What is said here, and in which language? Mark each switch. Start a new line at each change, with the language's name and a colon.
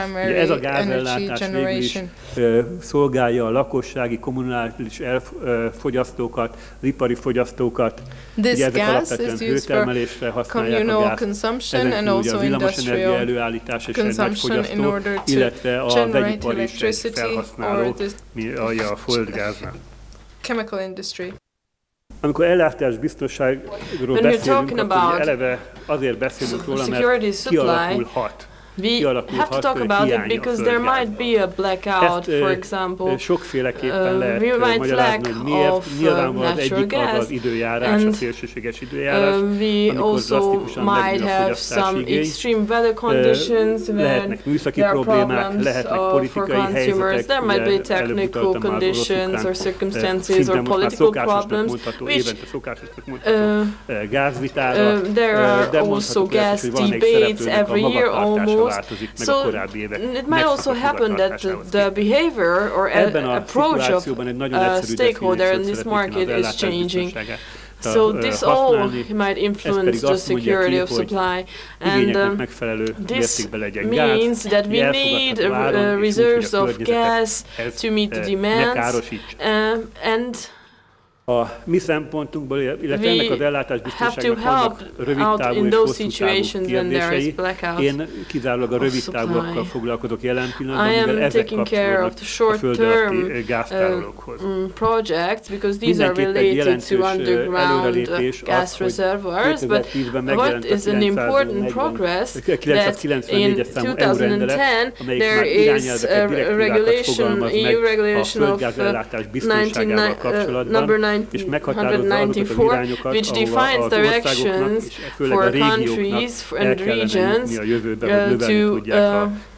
Hungarian: Ugye ez a gázellátás végül is szolgálja a lakossági, kommunális elfogyasztókat, az ipari fogyasztókat, ugye ezek alapvetően hőtermelésre használják a gáz, ezen kívül a villamosenergia előállítás és egy nagy fogyasztó, illetve a vegyipar is felhasználó, mi alja a földgáznak.
English: Chemical industry.
Hungarian: Amikor ellátás biztonságról beszélünk, akkor eleve azért beszélünk róla, mert kialakulhat.
English: We have to talk about it because there might be a blackout, for example. We might lack of natural gas. And we also might have some extreme weather conditions when there are problems for consumers. There might be technical conditions or circumstances or political problems. There are also gas debates every year almost. So it might also happen that the behavior or approach of a stakeholder in this market is changing. So this all might influence the security of supply, and this means that we need reserves of gas to meet the demand.
Hungarian: A mi szempontunkból, illetve ennek az ellátás biztonságnak rövid távú és hosszú távú kérdései, én kizárólag a rövid távokkal foglalkozok jelen pillanatban, mivel ezek kapcsolódnak a föld alatti gáztárolókhoz. Mindenképpen egy jelentős előrelépés az, hogy 2010-ben megjelent a 994-es számú EU-rendelet, amelyik már irányelveket, direktívákat fogalmaz meg a földgáz ellátás biztonságával kapcsolatban, és meghatározza azokat az irányokat, ahova az országoknak, és főleg a régióknak el kellene menni a jövőben, hogy növelni tudják a